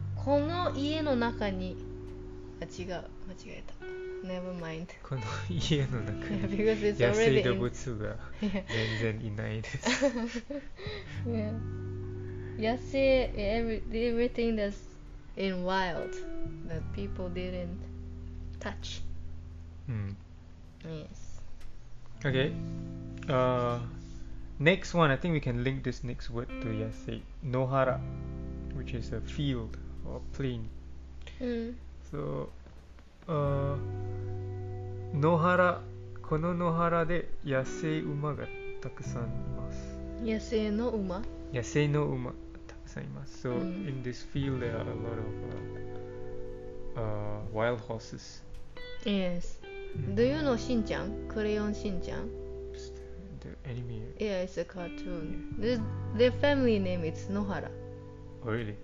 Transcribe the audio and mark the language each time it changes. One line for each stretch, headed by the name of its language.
Japanese: この家の中に、あ、違う、間違えた。
English: Never mind.
Japanese: この家の中に
English: yeah,
Japanese: 野生動物が全然いないです。
English: 野生、everything that's in wild that people didn't touch. Yes. Okay. Next one, I think we can link this next word to yase. Nohara, which is a field or plain.
Japanese: So, Nohara, この Nohara で野生馬がたくさんいます。野生の馬？野生の馬たくさんいます。
English: So, in this field, there are a lot of wild horses. Yes. Do you know Shin-chan? Crayon Shin-chan? The anime. Yeah, it's a cartoon. Their family name is Nohara. Oh, really?